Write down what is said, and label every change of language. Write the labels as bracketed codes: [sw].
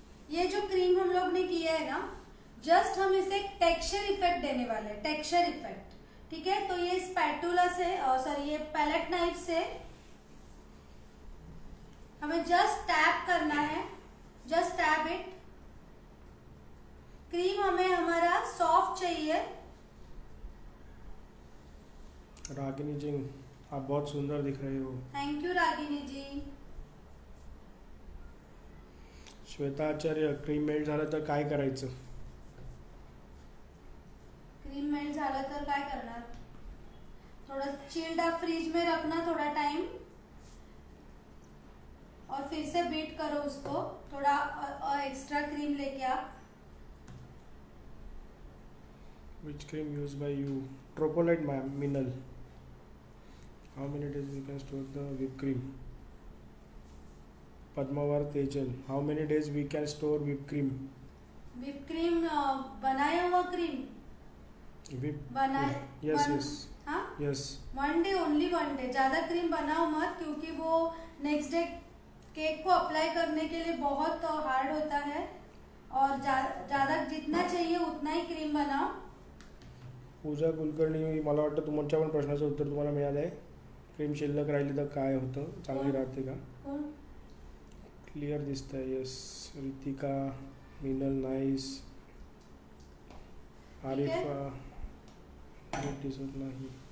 [hi] ये जो क्रीम हम लोग ने किया है ना जस्ट हम इसे टेक्सचर इफेक्ट देने वाले हैं टेक्सचर इफेक्ट ठीक है। तो ये स्पैटुला से सॉरी ये पैलेट नाइफ से हमें जस्ट टैप करना है जस्ट टैप इट। क्रीम हमें हमारा सॉफ्ट चाहिए। रागिनी जी आप बहुत सुंदर दिख रहे हो। [en] Thank you Ragini ji. [mr] Shweta Acharya cream melt झालं तर काय करायचं? क्रीम मेल्ट झालं तर काय करणार [hi] थोडं चिल्ड अप फ्रिज में रखना थोड़ा टाइम और फिर से बीट करो उसको थोड़ा एक्स्ट्रा क्रीम लेके आप। [en] Which cream use by you? Tropolite ma'am Minal. How many days we can store the whip cream? Padmawar Tejal how many days we can store whip cream? [hi] Whip cream बनाया हुआ क्रीम [en] whip [hi] बनाया [en] yes yes [hi] हां [en] yes [hi] one day only one day ज्यादा cream बनाओ मत क्योंकि वो next day cake को अप्लाई करने के लिए बहुत हार्ड होता है और ज्यादा जितना चाहिए उतना ही क्रीम बनाओ। [mr] पूजा कुलकर्णी, मला वाटतं तुमच्या पण प्रश्नाचं उत्तर तुम्हाला मिळालं आहे. क्रीम शिल्लक राहिली तर काय होतं, चांगली राहते का? क्लिअर दिसत आहे. यस, रितिका, मिनल, नाईस, आरिफा, दिसत नाही.